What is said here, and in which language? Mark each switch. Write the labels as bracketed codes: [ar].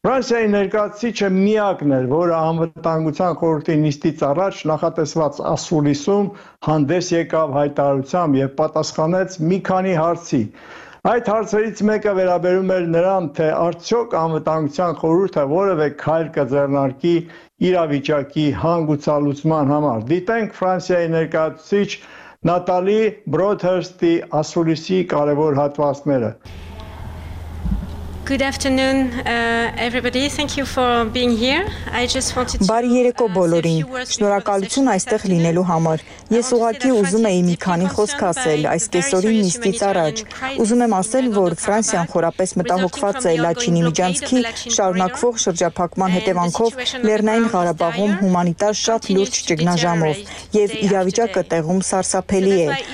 [hy] Ֆրանսիայի ներկայացուցիչը միակն էր, որը անվտանգության խորհրդի նիստից առաջ նախատեսված ասուլիսում հանդես եկավ հայտարարությամբ և պատասխանեց մի քանի հարցի։ Այդ հարցերից մեկը վերաբերում էր նրան, թե արդյոք անվտանգության խորհուրդը որևէ քայլ կձեռնարկի իրավիճակի հանգուցալուծման համար։ Դիտենք Ֆրանսիայի ներկայացուցիչ Նատալի Բրոդհերստի ասուլիսի կարևոր հատվածները։ [en] Good afternoon, everybody. Thank you for being here. I just wanted to. [hy] Բարի երեկո բոլորին. Շնորհակալություն այստեղ լինելու համար։ Ես ուղղակի ուզում եի մի քանի խոսք ասել այս կեսօրի նիստից առաջ։ Ուզում եմ ասել, որ Ֆրանսիան խորապես մտահոգված է Լաչինի միջանցքի շարունակվող շրջափակման հետևանքով Լեռնային Ղարաբաղում հումանիտար շատ լուրջ ճգնաժամով, և իրավիճակը տեղում սարսափելի է։